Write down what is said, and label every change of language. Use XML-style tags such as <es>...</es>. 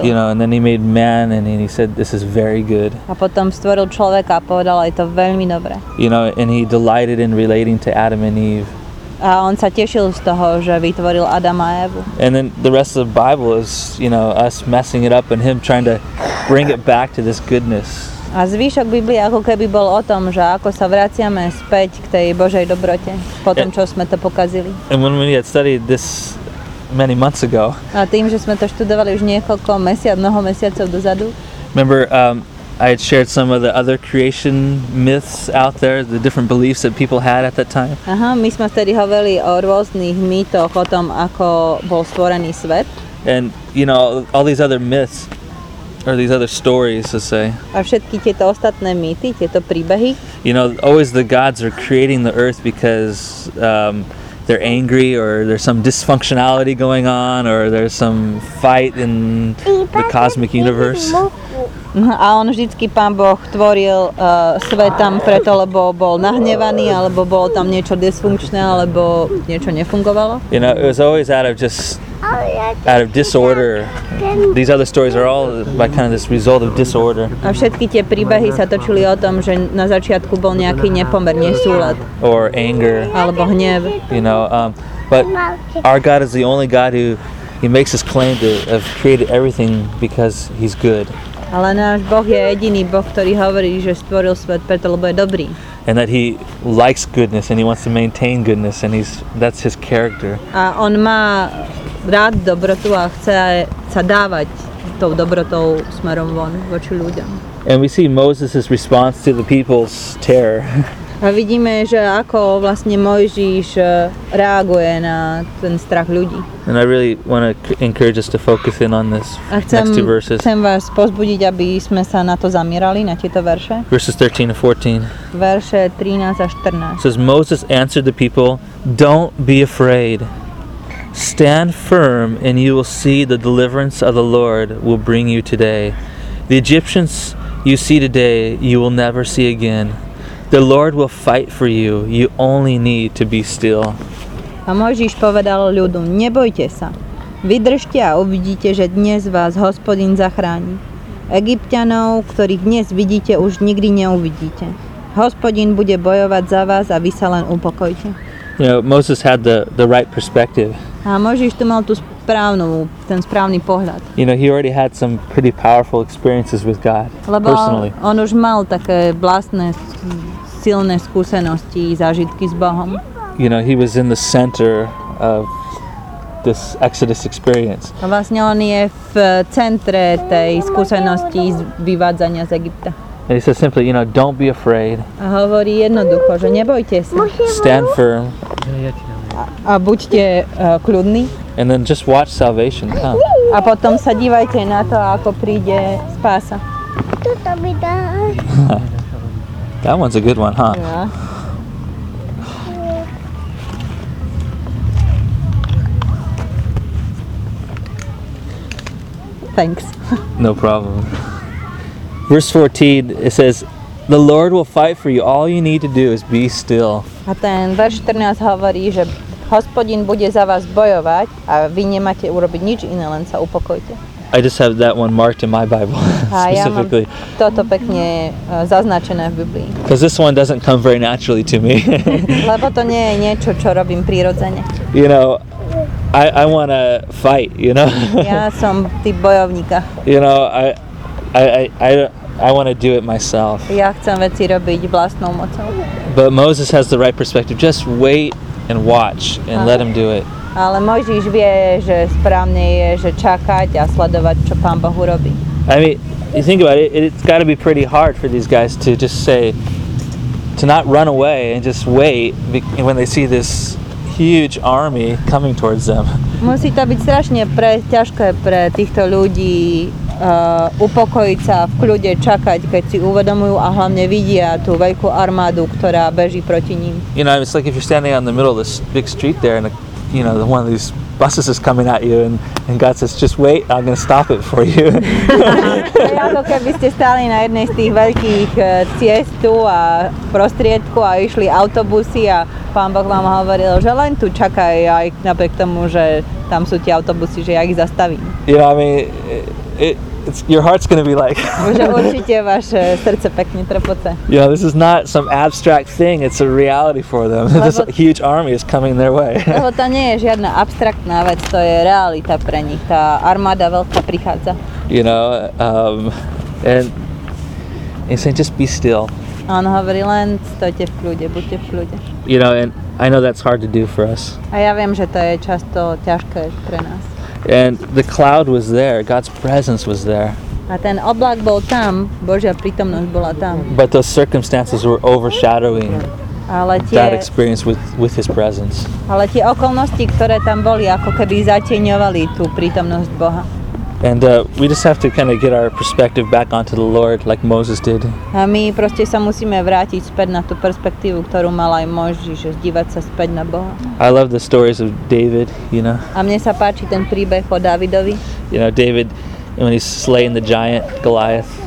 <en>You know, and then he made man and he said this is very good.</en> <sk>A potom stvoril človeka a povedal, je to veľmi dobré.</sk> <en>You know, and he delighted in relating to Adam and Eve.</en> <sk>A on sa tešil z toho, že vytvoril Adama a Evu.</sk> <en>And then the rest of the Bible is, you know, us messing it up and him trying to bring it back to this goodness.</en> <sk>A zvyšok Biblie ako keby bol o tom, že ako sa vraciame späť k tej Božej dobrote po tom, čo sme to pokazili.</sk> <en>And when we had studied this many months ago.</en> <sk>A tým, že sme to študovali už niekoľko mnoho mesiacov dozadu.</sk> <en>Remember I had shared some of the other creation myths out there, the different beliefs that people had at that time.</en> <sk>Aha, my sme vtedy hovorili o rôznych mýtoch o tom, ako bol stvorený svet.</sk> <en>And you know, all these other myths or these other stories, to say.</en> <sk>A všetky tieto ostatné mýty, tieto príbehy.</sk> <en>You know, always the gods are creating the earth because they're angry or there's some dysfunctionality going on or there's some fight in the cosmic universe.</en> <sk>A on vždycky Pán Boh tvoril svet tam preto, lebo bol nahnevaný, alebo bol tam niečo dysfunkčné, alebo niečo nefungovalo.</sk> <en>You know, it was always out of just out of disorder. These other stories are all by kind of this result of disorder.</en> <sk>A všetky tie príbehy sa točili o tom, že na začiatku bol nejaký nepomer, nesúlad.</sk> <en>Or anger.</en> <sk>Alebo hnev.</sk> <en>You know, but our God is the only God who he makes his claim to have created everything because he's good.</en> <sk>Ale náš Boh je jediný Boh, ktorý hovorí, že stvoril svet preto, lebo je dobrý.</sk> <en>And that he likes goodness and he wants to maintain goodness and he's that's his character.</en> <sk>A on má rád dobrotu a chce sa dávať tou dobrotou smerom von voči ľuďom.</sk> <en>And we see Moses' response to the people's terror.</en> <sk>A vidíme, že ako vlastne Mojžiš reaguje na ten strach ľudí.</sk> <en>And I really want to encourage us to focus in on this next two verses.</en> <sk>Chcem vás pozbudiť, aby sme sa na to zamierali, na tieto verše.</sk> <en>Verses 13 and 14.</en> <sk>Verše 13 a 14.</sk> <en>Says Moses answered the people, "Don't be afraid. Stand firm and you will see the deliverance of the Lord will bring you today. The Egyptians you see today, you will never see again. The Lord will fight for you. You only need to be still."</en> <sk>A Mojžiš povedal ľudu, nebojte sa. Vydržte a uvidíte, že dnes vás Hospodin zachráni. Egypťanov, ktorých dnes vidíte, už nikdy neuvidíte. Hospodin bude bojovať za vás a vy sa len upokojte.</sk> <en>You know, Moses had the right perspective.</en> <sk>A Mojžiš tu mal tú správnu, ten správny pohľad.</sk> <en>You know, he already had some pretty powerful experiences with God,</en> <sk>lebo</sk> <en>personally.</en> <sk>On už mal také vlastné silné skúsenosti, zážitky s Bohom.</sk> <en>You know, he was in the center of this Exodus experience.</en> <sk>A vlastne on je v centre tej skúsenosti z vyvádzania z Egypta.</sk> <en>And he says simply, you know, don't be afraid.</en> <sk>A hovorí jednoducho, že nebojte sa.</sk> <en>Stand firm.</en> <sk>A buďte kľudní.</sk> <en>And then just watch salvation come.</en> <sk>A potom sa dívajte na to, ako príde spása. Toto by dá.</sk> <en>That one's a good one, huh? Yeah. Thanks. No problem. Verse 14, it says, "The Lord will fight for you. All you need to do is be still."</en> <sk>A ten verš 14 hovorí, že Hospodin bude za vás bojovať a vy nemáte urobiť nič iné, len sa upokojte.</sk> <en>I just have that one marked in my Bible specifically.</en> <sk>Ja mám toto pekne zaznačené v Biblii.</sk> <en>Because this one doesn't come very naturally to me.</en> <sk>Lebo to nie je niečo, čo robím prirodzene.</sk> <en>You know, I want to fight, you know.</en> <sk>Ja som typ bojovníka.</sk> <en>You know, I want to do it myself.</en> <sk>Ja chcem veci robiť vlastnou mocou.</sk> <en>But Moses has the right perspective. Just wait and watch and let him do it.</en> <sk>Ale Mojžiš vie, že správne je, že čakať a sledovať, čo Pán Boh urobí.</sk> <en>I mean, you think about it, it's got to be pretty hard for these guys to just say, to not run away and just wait when they see this huge army coming towards them.</en> <sk>Musí to byť strašne ťažké pre týchto ľudí upokojiť sa v kľude, čakať, keď si uvedomujú a hlavne vidia tú veľkú armádu, ktorá beží proti ním.</sk> <en>You know, it's like if you're standing on the middle of this big street there and you know, one of these buses is coming at you and God says, just wait, I'm going to stop it for you.</en> <sk>Ako keby ste stali na jednej z tých veľkých ciestu a prostriedku a išli autobusy a Pán Boh vám hovoril, že len tu čakaj, aj napriek tomu, že tam sú tie autobusy, že ja ich zastavím.</sk> <en>You know, I mean, it's your heart's going to be like...</en> <sk>Bože, určite vaše srdce pekne trpoce.</sk> <en>You know, this is not some abstract thing, it's a reality for them.</en> <sk>Lebo</sk> <en>this huge army is coming their way.</en> <sk>Lebo to nie je žiadna abstraktná vec, to je realita pre nich. Tá armáda veľká prichádza.</sk> <en>You know, and he's saying, just be still.</en> <sk>A on hovorí len, stojte v kľude, buďte v kľude.</sk> <en>You know, and I know that's hard to do for us.</en> <sk>A ja viem, že to je často ťažké pre nás.</sk> <en>And the cloud was there. God's presence was there.</en> <sk>A ten oblak bol tam, Božia prítomnosť bola tam.</sk> <en>But those circumstances were overshadowing that experience with his presence.</en> <sk>Ale tie okolnosti, ktoré tam boli, ako keby zatieňovali tú prítomnosť Boha.</sk> <en>And we just have to kind of get our perspective back onto the Lord like Moses did.</en> <sk>A my proste sa musíme vrátiť späť na tú perspektívu, ktorú mal aj Mojžiš, že dívať sa späť na Boha.</sk> <en>I love the stories of David, you know.</en> <sk>A mne sa páči ten príbeh o Dávidovi.</sk> <en>You know, David, when he's slaying the giant Goliath.</en>